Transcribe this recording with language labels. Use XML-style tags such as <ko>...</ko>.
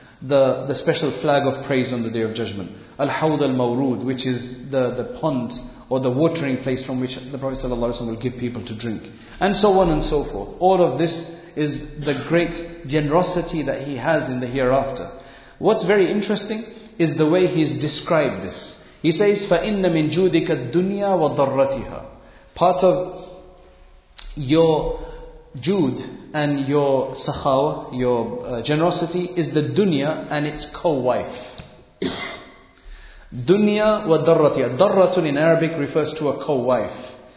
<en>The special flag of praise on the Day of Judgment. Al-hawd al-mawrood, which is the pond or the watering place from which the Prophet sallallahu alayhi wa sallam will give people to drink. And so on and so forth. All of this is the great generosity that he has in the hereafter. What's very interesting is the way he's described this. He says,</en> <ar>فَإِنَّ مِنْ جُودِكَ الدُّنْيَا وَضَرَّتِهَا.</ar> <en>Part of your jood and your sakhawa, your generosity, is the dunya and its co-wife. Dunya وَضَرَّتِهَا. Darratun in Arabic refers to a co-wife.</en>